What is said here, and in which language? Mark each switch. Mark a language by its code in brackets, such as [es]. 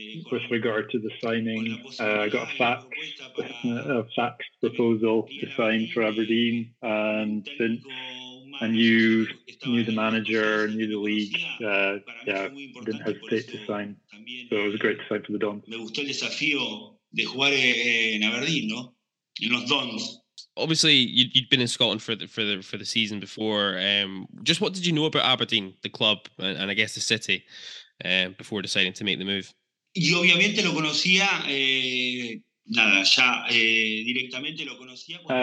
[en] With regard to the signing, I got a fax proposal to sign for Aberdeen. And since I knew the manager, knew the league, didn't hesitate to sign. So it was a great sign for the Dons. [es] Me gustó el desafío de jugar en Aberdeen, ¿no? En los Dons. [en] Obviously, you'd been in Scotland for the season before. Just what did you know about Aberdeen, the club, and I guess the city, before deciding to make the move? [es] Y obviamente lo conocía, directamente lo conocía.